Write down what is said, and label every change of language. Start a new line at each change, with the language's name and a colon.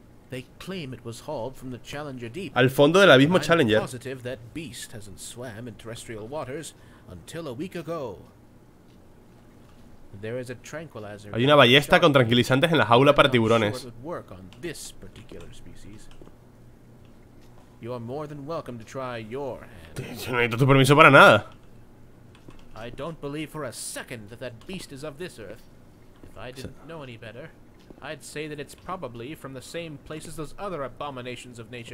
English: They claim it was hauled from the Challenger Deep.
Spanish: Al fondo del abismo Challenger.
English: I'm positive that beast hasn't swam in terrestrial waters until a week ago. There is a tranquilizer.
Spanish: Hay una ballesta con tranquilizantes en la jaula para tiburones.
English: Work on this particular species. You are more than welcome to try your hand.
Spanish: Yo no necesito tu permiso para nada.
English: I don't believe for a second that that beast is of this earth. If I didn't know any better, I'd say that it's probably from the same place as those other abominations of nature.